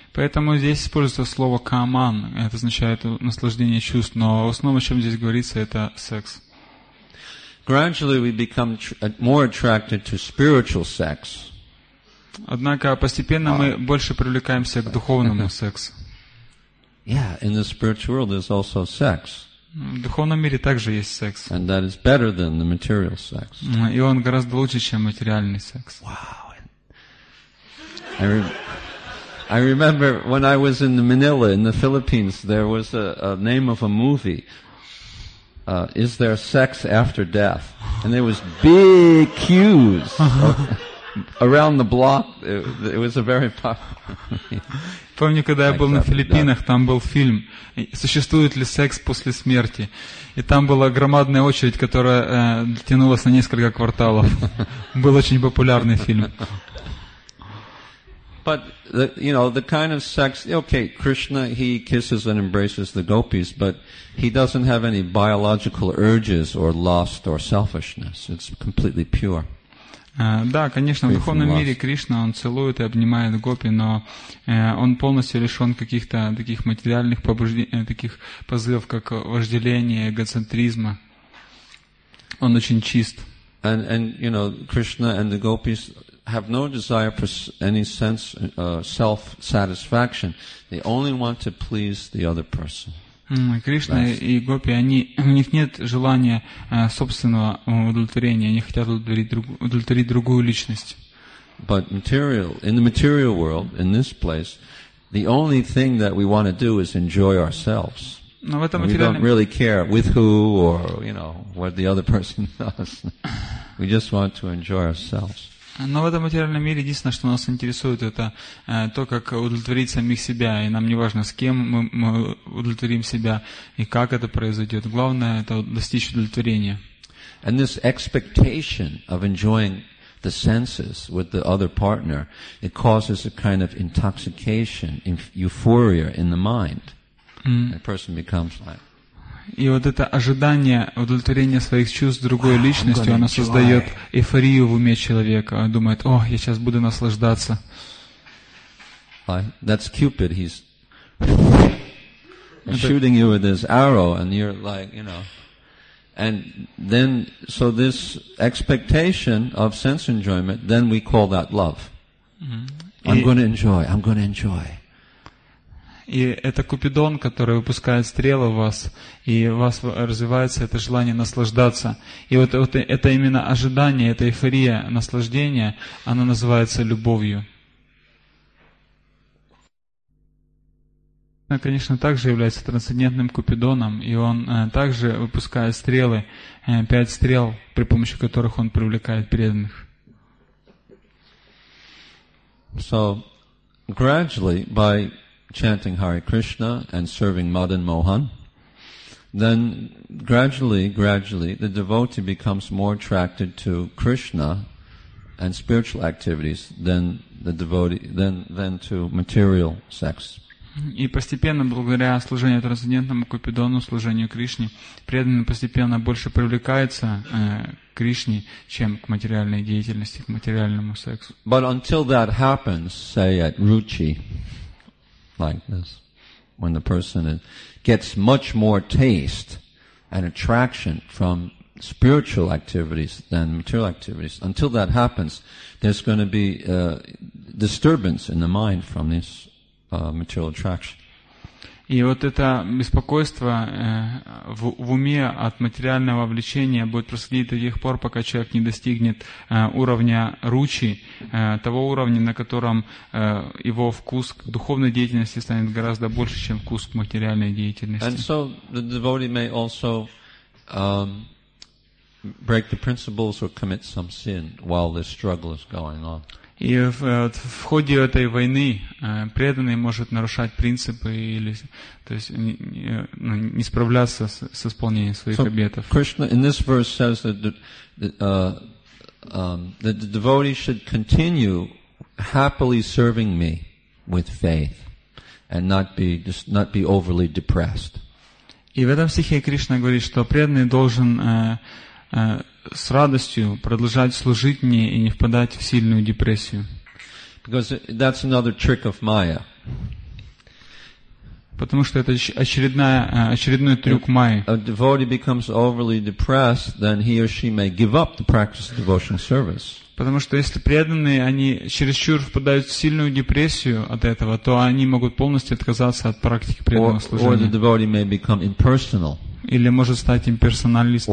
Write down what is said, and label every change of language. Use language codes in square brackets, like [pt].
[ru] Поэтому здесь используется слово «каман», это означает наслаждение чувств, но в основном, о чем здесь говорится, это секс. [en] Gradually we become more attracted to spiritual sex. [ru] Однако постепенно мы больше привлекаемся к духовному сексу. [en] Yeah, in the spiritual world there's also sex. [ru] В духовном мире также есть секс. [en] And that is better than the material sex. [ru] И он гораздо лучше, чем материальный секс. [en] Wow. I remember when I was in Manila, in the Philippines, there was a name of a movie, Is There Sex After Death? And there was big queues around the block. It was a very popular movie. [ru] Помню, когда я был на Филиппинах, там был фильм «Существует ли секс после смерти?» И там была громадная очередь, которая тянулась на несколько кварталов. Был очень популярный фильм. [en] But you know, the kind of sex, okay, Krishna, he kisses and embraces the gopis, but he doesn't have any biological urges or lust or selfishness. It's completely pure. [ru] Да, конечно, в духовном мире Кришна, он целует и обнимает гопи, но он полностью лишен каких-то таких материальных побуждений, таких позывов, как вожделение, эгоцентризма. Он очень чист. [en] And you know, Krishna and the gopis have no desire for any sense self-satisfaction. They only want to please the other person. [ru] Кришна и гопи, у них нет желания собственного удовлетворения. Они хотят удовлетворить другую личность. [en] But in the material world, in this place, the only thing that we want to do is enjoy ourselves. [ru] Но в этом [en] we don't really care with who or, you know, what the other person does. We just want to enjoy ourselves. [ru] Но в этом материальном мире единственное, что нас интересует, это то, как удовлетворить самих себя. И нам не важно, с кем мы удовлетворим себя и как это произойдет. Главное – это достичь удовлетворения. [en] And this expectation of enjoying the senses with the other partner, it causes a kind of intoxication, euphoria in the mind. A person becomes like, [ru] и вот это ожидание удовлетворения своих чувств другой личностью, оно создает эйфорию в уме человека. Он думает, о, я сейчас буду наслаждаться. [en] That's Cupid. He's shooting you with his arrow, and you're like, you know. And then, so this expectation of sense enjoyment, then we call that love. I'm going to enjoy. [ru] И это Купидон, который выпускает стрелы в вас, и у вас развивается это желание наслаждаться. И вот, вот это именно ожидание, эта эйфория наслаждения, она называется любовью. Она, конечно, также является трансцендентным Купидоном, и он также выпускает стрелы, пять стрел, при помощи которых он привлекает преданных. [en] So, gradually, by chanting Hare Krishna and serving Madan Mohan, then gradually, the devotee becomes more attracted to Krishna and spiritual activities than the devotee than to material sex. [ru] И постепенно, благодаря служению трансцендентному Купидону, служению Кришне, преданный постепенно больше привлекается к Кришне, чем к материальной деятельности, к материальному сексу. [en] But until that happens, say at Ruchi, like this, when the person gets much more taste and attraction from spiritual activities than material activities, until that happens, there's going to be a disturbance in the mind from this material attraction. [ru] И вот это беспокойство в уме от материального влечения будет происходить до тех пор, пока человек не достигнет уровня ручи, того уровня, на котором его вкус к духовной деятельности станет гораздо больше, чем вкус к материальной деятельности. [en] And so the devotee may also break the principles or commit some sin while this struggle is going on. [ru] И в ходе этой войны преданный может нарушать принципы или то есть, не справляться с исполнением своих обетов. [en] So, Krishna in this verse says that the devotee should continue happily serving me with faith and not be overly depressed. [ru] И в этом стихе Кришна говорит, что преданный должен с радостью продолжать служить мне и не впадать в сильную депрессию. [en] Because that's another trick of Maya. [ru] Потому что это очередной трюк Майи. [en] If a devotee becomes overly depressed, then he or she may give up the practice of devotional service. [ru] Потому что если преданные, они чересчур впадают в сильную депрессию от этого, то они могут полностью отказаться от практики преданного служения. [en] Or the devotee may become impersonal. [ru] Или может стать имперсоналистом.